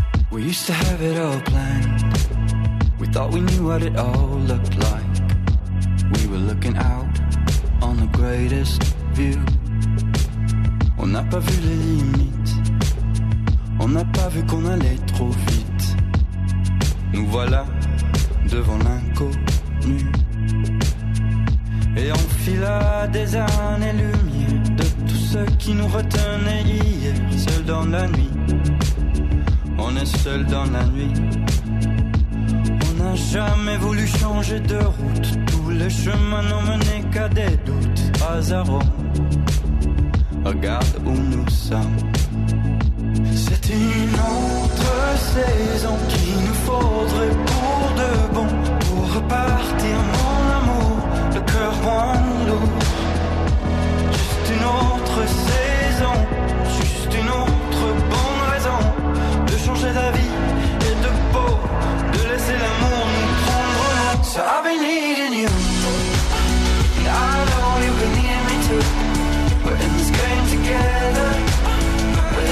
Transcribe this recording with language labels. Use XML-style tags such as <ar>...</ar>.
<en>We used to have it all planned. We thought we knew what it all looked like. We were looking out on the greatest view.</en> <fr>On n'a pas vu les limites. On n'a pas vu qu'on allait trop vite. Nous voilà devant l'inconnu. Et on fila des années-lumière de tous ceux qui nous retenaient hier. Seul dans la nuit, on est seul dans la nuit. On n'a jamais voulu changer de route. Tous les chemins n'ont mené qu'à des doutes. Hasardons, regarde où nous sommes. C'est une autre saison qu'il nous faudrait pour de bon. Pour repartir mon amour, le cœur moins lourd. Juste une autre saison, juste une autre bonne raison. De changer d'avis et de peau, de laisser l'amour nous prendre.</fr> <en>So I've been needing you, and I know you've been needing me too. We're in this game together.</en>